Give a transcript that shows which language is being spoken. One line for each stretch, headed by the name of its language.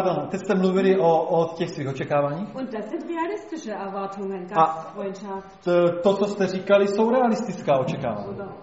Czech: Teď jste mluvili o těch svých očekáváních.
German: Und das sind realistische Erwartungen, Gastfreundschaft.
Czech: To, co jste říkali, jsou realistická očekávání.